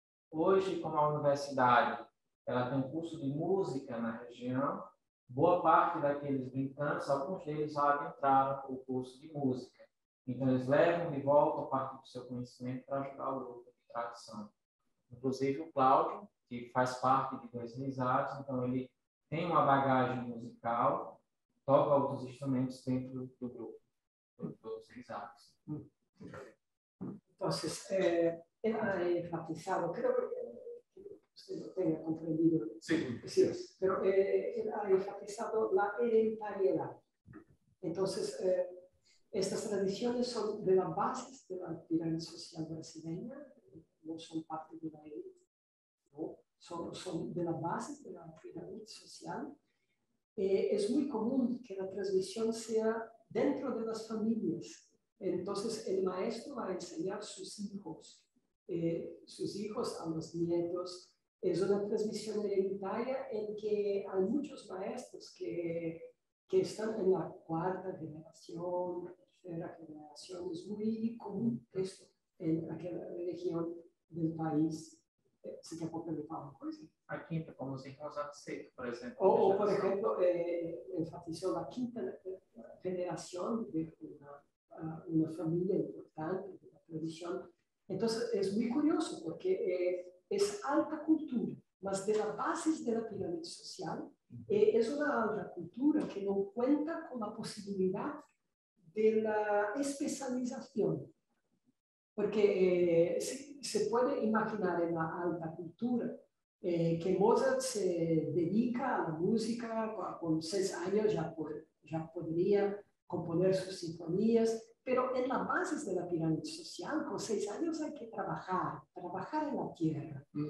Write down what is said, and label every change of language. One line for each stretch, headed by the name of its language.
Portuguese: Hoje, como a universidade ela tem um curso de música na região, boa parte daqueles brincantes, alguns deles já adentraram o curso de música. Então, eles levam de volta parte do seu conhecimento para ajudar o grupo de tradição. Inclusive, o Cláudio, que faz parte de dois reisados, então ele tem uma bagagem musical, toca outros instrumentos dentro do grupo.
Spanish: Entonces, era enfatizado, creo que usted lo tenga comprendido. Sí, sí, sí. Pero era enfatizado la hereditariedad. Entonces, estas tradiciones son de las bases de la pirámide social brasileña, no son parte de la élite, ¿no? son de las bases de la pirámide social. Es muy común que la transmisión sea dentro de las familias. Entonces el maestro va a enseñar a sus hijos a los nietos. Es una transmisión hereditaria en que hay muchos maestros que están en la cuarta generación, tercera generación. Es muy común esto en aquella región del país. Se te apoca de palo, por ejemplo.
Portuguese: A quinta, como os irmãos Aceito, por exemplo. Ou, por exemplo, enfatizou a quinta geração de uma família importante, de uma tradição. Então, é muito curioso, porque é alta cultura, mas
Spanish: de las bases de la
Portuguese: pirâmide social, é uma alta cultura que não conta com a possibilidade
Spanish: de la
Portuguese: especialização.
Spanish: Porque se puede imaginar en la alta cultura que Mozart se dedica a la música, con 6 años ya podría componer sus sinfonías, pero en las bases de la pirámide social, con 6 años hay que trabajar en la tierra.